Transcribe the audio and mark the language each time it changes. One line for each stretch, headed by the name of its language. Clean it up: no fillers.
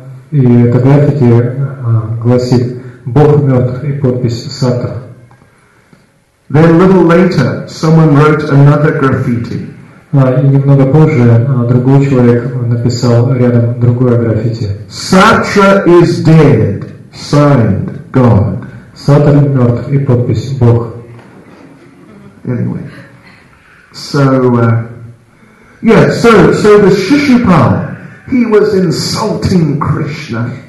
Russian: И это граффити гласит «Бог мертв» и подпись Сартр.
English: Then a little later, someone wrote another graffiti.
Russian: И немного позже другой человек написал рядом другое граффити.
English: Sartre is dead. Signed God.
Russian: Сартр мертв и подпись Бог.
English: Anyway. So the Shishupal, he was insulting Krishna.